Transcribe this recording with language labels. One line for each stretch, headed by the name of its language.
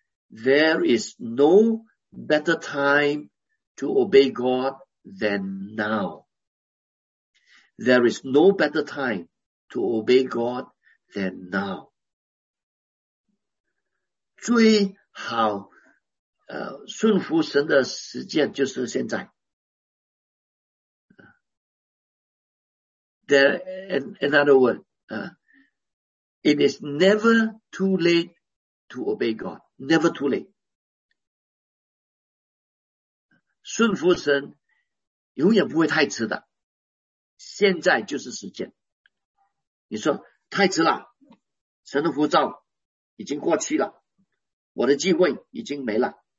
English: There is no better time to obey God than now. There is no better time to obey God than now.
Chinese: 最好顺服神的时间就是现在。
English: It is never too late to obey God. Never too late.
Chinese: 顺服神永远不会太迟的。现在就是时间。你说太迟了，神的呼召已经过期了，我的机会已经没了。